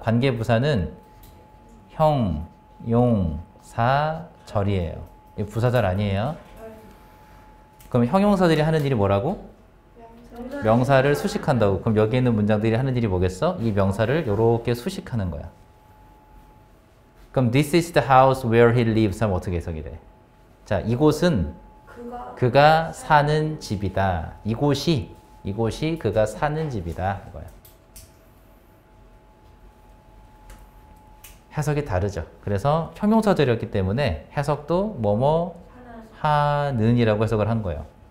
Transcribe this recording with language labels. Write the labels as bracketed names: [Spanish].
[Korean] 관계부사는 형, 용, 사, 절이에요. 이게 부사절 아니에요. 네. 그럼 형용사들이 하는 일이 뭐라고? 명사를 수식한다고. 그럼 여기 있는 문장들이 하는 일이 뭐겠어? 이 명사를 이렇게 수식하는 거야. 그럼 [English] this is the house where he lives [Korean] 하면 어떻게 해석이 돼? 자, 이곳은 그가 사는 집이다. 이곳이 그가 사는 집이다. 이거야. 해석이 다르죠. 그래서 형용사절이었기 때문에 해석도 뭐뭐 하는이라고 해석을 한 거예요.